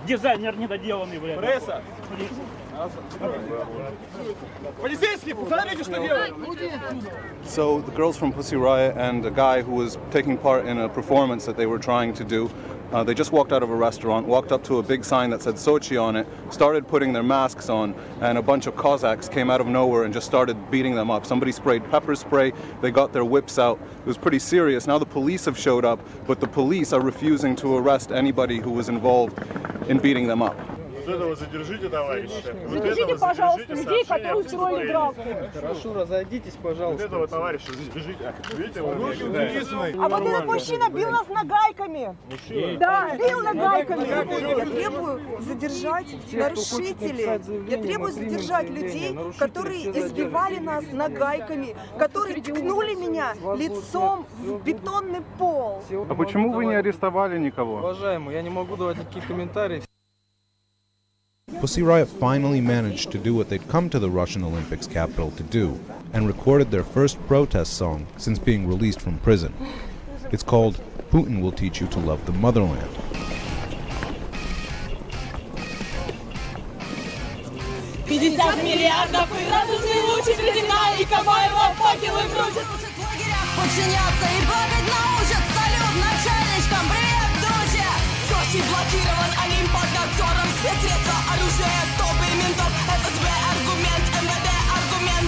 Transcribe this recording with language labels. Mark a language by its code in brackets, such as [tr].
[ru] Дизайнер недоделанный, блядь. Пресса! Полицейский, посмотрите, что делают! [en] So, the girls from Pussy Riot and a guy who was taking part in a performance that they were trying to do, they just walked out of a restaurant, walked up to a big sign that said Sochi on it, started putting their masks on, and a bunch of Cossacks came out of nowhere and just started beating them up. Somebody sprayed pepper spray, they got their whips out. It was pretty serious. Now the police have showed up, but the police are refusing to arrest anybody who was involved in beating them up. [ru] Задержите, пожалуйста, людей, которые устроили драку. Хорошо, разойдитесь, пожалуйста. Вот этого товарища задержите. Видите, он руки вниз. А вот этот мужчина бил нас нагайками. Да, бил нагайками. Я требую задержать нарушителей. Я требую задержать людей, которые избивали нас нагайками, которые ткнули меня лицом в бетонный пол. А почему вы не арестовали никого? Уважаемый, я не могу давать никаких комментариев. [en] Pussy Riot finally managed to do what they'd come to the Russian Olympics capital to do, and recorded their first protest song since being released from prison. It's called Putin Will Teach You to Love the Motherland. Yeah. [ru] 50 миллиардов и радужный луч и средина, и Кабаева факелы крутят. Подчиняться и победно учат. Салют начальничкам, привет, друзья! Сочи блокирован, Олимп под надзором. Спецсредства, оружие, топы и ментов. ФСБ аргумент, МВД аргумент.